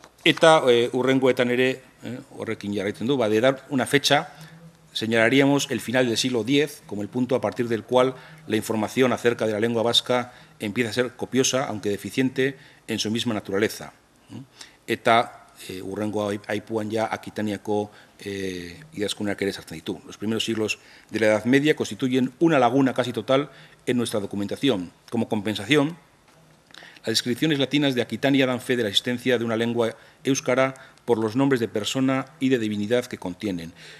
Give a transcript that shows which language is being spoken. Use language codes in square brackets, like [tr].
[eu] Eta urrengoetan ere, horrekin jarraitzen du, [es] va a dar una fecha, señalaríamos el final del siglo X como el punto a partir del cual la información acerca de la lengua vasca empieza a ser copiosa, aunque deficiente, en su misma naturaleza. [eu] Eta urrengo aipuan ya Akitaniako idazkunak ere sartzen ditu. [es] Los primeros siglos de la Edad Media constituyen una laguna casi total en nuestra documentación. Como compensación, las descripciones latinas de Aquitania dan fe de la existencia de una lengua euskara por los nombres de persona y de divinidad que contienen.